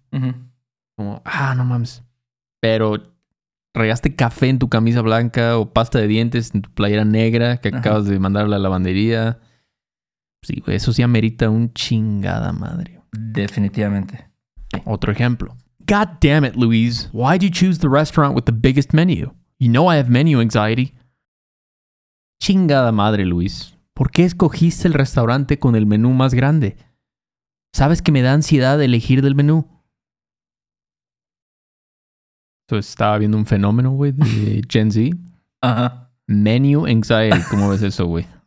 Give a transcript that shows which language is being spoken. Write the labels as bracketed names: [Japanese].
[Spanish] Uh-huh. Como, no mames. Pero regaste café en tu camisa blanca o pasta de dientes en tu playera negra que acabas de mandar a la lavandería. Sí, güey, eso sí amerita un chingada madre. Definitivamente. Otro ejemplo. [English] God damn it, Louise. Why'd you choose the restaurant with the biggest menu? You know I have menu anxiety. [Spanish] Chingada madre, Luis. ¿Por qué escogiste el restaurante con el menú más grande? ¿Sabes que me da ansiedad elegir del menú? Entonces, estaba viendo un fenómeno, güey, de Gen Z. Ajá. Menu anxiety. ¿Cómo ves eso, güey?